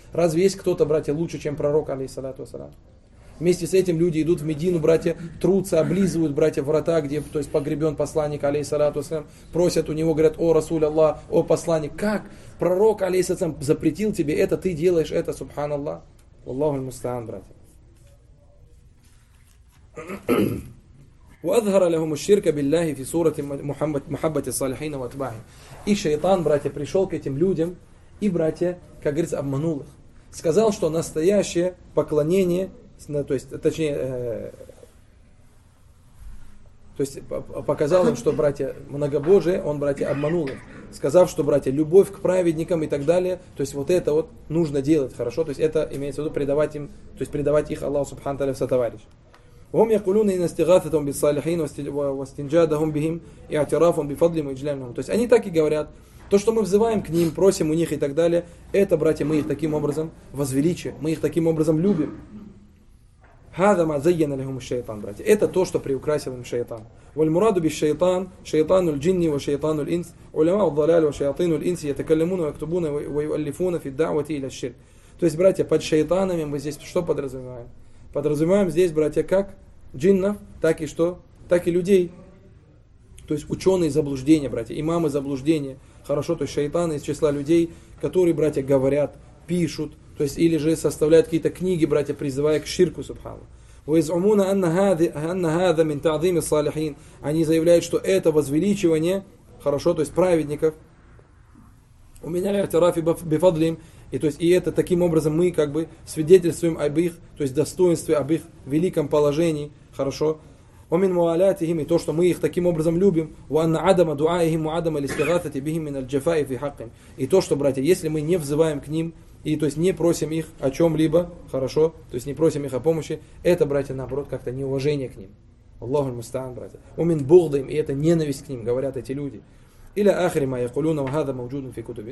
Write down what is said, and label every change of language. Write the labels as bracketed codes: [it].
[ru] Разве есть кто-то, братья, лучше, чем пророк, алейхиссалату вассалям? Вместе с этим люди идут в Медину, братья, трутся, облизывают, братья, врата, где, то есть, погребен посланник, алейхиссалату вассалям, просят у него, говорят, о, Расуль Аллах, о, посланник, как пророк, алейхиссалату вассалям, запретил тебе это, ты делаешь это, субхану Аллах. Аллаху аль-мустаан, братья. [ar] وأظهر لهم الشرك بالله في سورة محبة الصالحين وأتباعهم. [ru] И шайтан, братья, пришел к этим людям и, братья, как говорится, обманул их. Сказал, что настоящее поклонение, то есть, точнее, то есть показал им, что, братья, многобожие, он, братья, обманул их. Сказав, что, братья, любовь к праведникам и так далее, то есть вот это вот нужно делать, хорошо? То есть это имеется в виду предавать им, то есть предавать их Аллаху субхану тааля в сотоварищ. [ar] وهم يقولون إن استغاثتهم بالصالحين واستنجادهم بهم اعترافهم بفضلهم وإجلالهم. [ru] То есть они так и говорят, то, что мы взываем к ним, просим у них и так далее, это, братья, мы их таким образом возвеличиваем, мы их таким образом любим. [ar] هذا ما زين لهم الشيطان, братья. [ru] Это то, что приукрасил им шайтан. [ar] والمراد بالشيطان شيطان الجن وشيطان الإنس علماء الضلال وشياطين الإنس يتكلمون ويكتبون ويؤلفون في الدعوة إلى الشرك. [ru] То есть, братья, под шайтанами мы здесь что подразумеваем? Подразумеваем здесь, братья, как джиннов, так и что? Так и людей. То есть ученые заблуждения, братья, имамы заблуждения. Хорошо, то есть шайтаны из числа людей, которые, братья, говорят, пишут, то есть или же составляют какие-то книги, братья, призывая к ширку, субхану. [ar] وَيَزْعُمُونَ أَنَّ هَذَا مِنْ تَعْظِيمِ الصَّالِحِينَ. [ru] Они заявляют, что это возвеличивание, хорошо, то есть праведников. У меня [ar] اعتراف بفضلهم. [ru] И то есть и это таким образом мы как бы свидетельствуем об их, то есть достоинстве, об их великом положении, хорошо. [ar] ومن موالاتهم [ru] и то, что мы их таким образом любим, [ar] وأن عدم دعائهم وعدم الاستغاثة بهم من الجفاء في حقهم. [ru] И то, что, братья, если мы не взываем к ним и то есть не просим их о чем-либо, хорошо, то есть не просим их о помощи, это, братья, наоборот, как-то неуважение к ним. Аллаху аль-мустаан, братья. [ar] ومن بغضهم [ru] и это ненависть к ним, говорят эти люди. [ar] Или ахри ма якулюна ва хаза мауджуд фи кутуби.